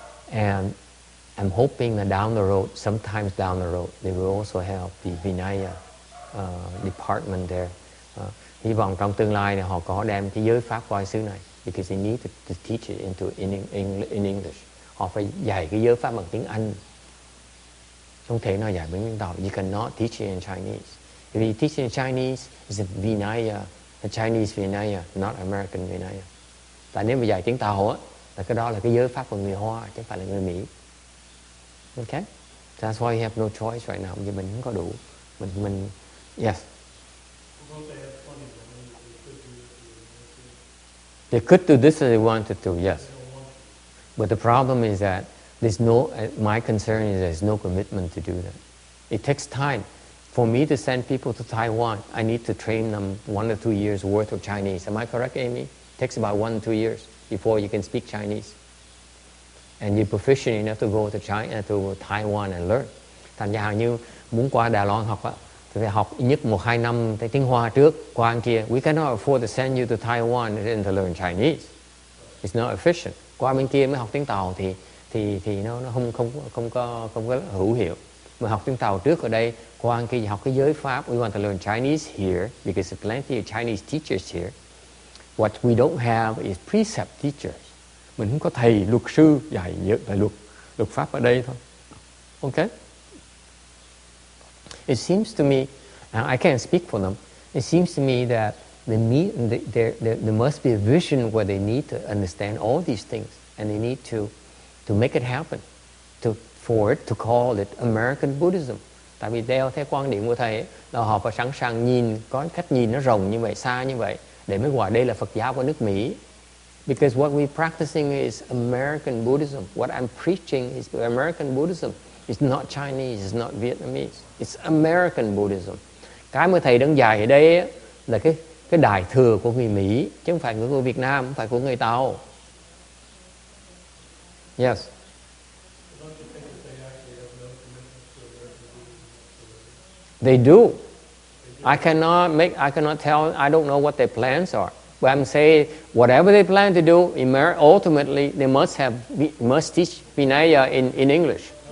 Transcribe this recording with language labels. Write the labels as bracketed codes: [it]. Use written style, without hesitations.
[en] And I'm hoping that down the road, sometimes down the road, they will also have the Vinaya department there. [vi] Hy vọng trong tương lai này họ có đem cái giới pháp qua xứ này. [en] Because they need to teach it in English. [vi] Họ phải dạy cái giới pháp bằng tiếng Anh. Không thể nào dạy bằng tiếng đạo. [en] You cannot teach it in Chinese. If you teach it in Chinese, it's a Vinaya, a Chinese Vinaya, not American Vinaya. [vi] Tại nếu mà dạy tiếng Tàu là cái đó là cái giới pháp của người Hoa, chứ không phải là người Mỹ. [en] Okay? That's why you have no choice right now. [vi] Vì mình không có đủ. Mình [en] yes. They could do this if they wanted to, yes. But the problem is that there's no, my concern is there's no commitment to do that. It takes time. For me to send people to Taiwan, I need to train them 1 or 2 years worth of Chinese. Am I correct, Amy? It takes about 1 or 2 years before you can speak Chinese. And you're proficient enough to go to China, to Taiwan and learn. [vi] Thành ra hàng như muốn qua Đài Loan học á, thì phải học nhất 1-2 năm cái tiếng Hoa trước qua anh kia. [en] We cannot afford to send you to Taiwan and to learn Chinese. It's not efficient. [vi] Qua bên kia mới học tiếng Tàu thì nó không có hữu hiệu. Mà học tiếng Tàu trước ở đây, qua anh kia học cái giới pháp. [en] We want to learn Chinese here because there's plenty of Chinese teachers here. What we don't have is precept teachers. [vi] Mình không có thầy luật sư dạy nhớ lại luật pháp ở đây thôi. [en] Okay? It seems to me, and I can't speak for them, it seems to me that there must be a vision where they need to understand all these things and they need to make it happen, to call it American Buddhism. [vi] Tại vì theo quan điểm của thầy là họ phải sẵn sàng nhìn, có cách nhìn nó rộng như vậy, xa như vậy để mới gọi đây là Phật giáo của nước Mỹ. [en] Because what we're practicing is American Buddhism. What I'm preaching is American Buddhism. It's not Chinese, it's not Vietnamese. It's American Buddhism. [vi] Cái mà thầy đang dạy ở đây là cái đại thừa của người Mỹ, chứ không phải người Việt Nam, không phải của người Tàu. [en] Yes. Don't you think that they actually have no commitment to their duties? They do. I cannot make, I cannot tell, I don't know what their plans are. But I'm saying, whatever they plan to do, ultimately, they must have, must teach Vinaya in English.